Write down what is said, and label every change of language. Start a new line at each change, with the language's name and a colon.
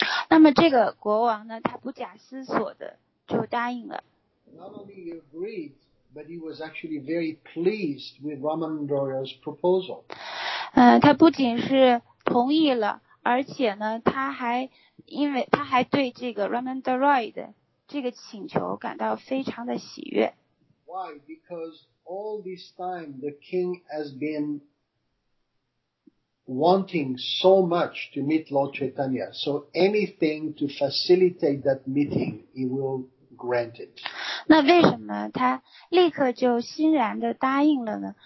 Chinese: 那么这个国王呢，他不假思索的就答应了。
English: Not only agreed. But he was actually very pleased with Ramananda Roy's proposal. 他不仅是同意了，而且呢，他还对这个 Ramananda Roy 的这个请求感到非常的喜悦。 Why? Because all this time the king has been wanting so much to meet Lord Chaitanya. So anything to facilitate that meeting, he will. Granted.
Chinese: 那为什么他立刻就欣然地答应了呢？